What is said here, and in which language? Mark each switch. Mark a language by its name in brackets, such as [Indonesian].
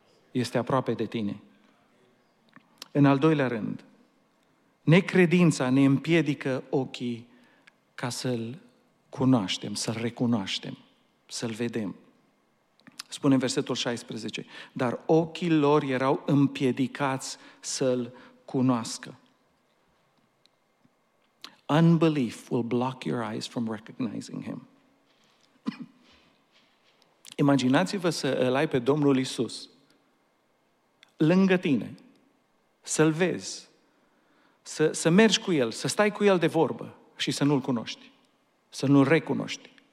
[Romanian] Este aproape de tine. În al doilea rând, necredința ne împiedică ochii ca să-L cunoaștem, să-L recunoaștem, să-L vedem. Spune în versetul 16, dar ochii lor erau împiedicați să-L cunoască. [English] Unbelief will block your eyes from recognizing Him. [Romanian] Imaginați-vă să îl ai pe Domnul Iisus lângă tine, să-L vezi, să mergi cu El, să stai cu El de vorbă și să nu-L cunoști, să nu-L recunoști.